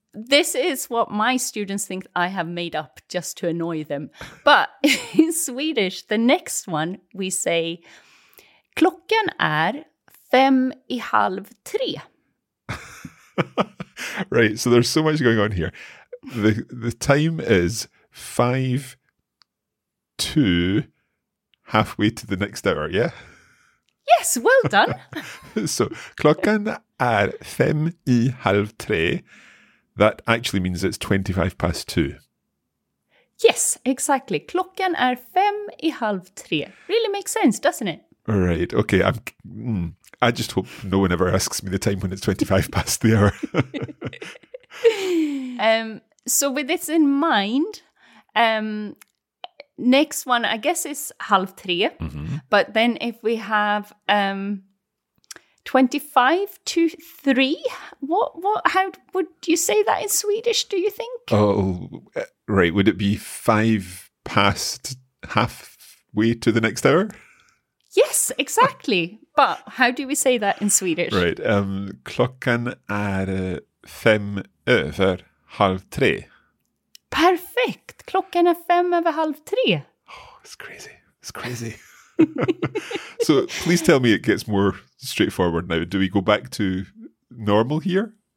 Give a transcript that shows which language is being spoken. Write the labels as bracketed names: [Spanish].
[English] This is what my students think I have made up just to annoy them. But in Swedish, the next one we say, [Swedish] klockan är fem i halv tre. [English] Right, so there's so much going on here. The time is 5:02, halfway to the next hour, yeah? Yes, well done. [Swedish] So, klockan är fem i halv tre. [English] That actually means it's 25 past two. Yes, exactly. [Swedish] Klockan är fem i halv tre. [English] Really makes sense, doesn't it? Right, okay. I just hope no one ever asks me the time when it's 25 past the hour. So with this in mind, next one, I guess, is [Swedish] halv tre. [English] Mm-hmm. But then if we have 25 to 3, how would you say that in Swedish, do you think? Oh, right. Would it be 5 past halfway to the next hour? Yes, exactly. But how do we say that in Swedish? Right. [Swedish] Klockan är fem över halv tre. [English] Perfect. [Swedish] Klockan är fem över halv tre. [English] Oh, it's crazy. It's crazy. So please tell me it gets more straightforward now. Do we go back to normal here?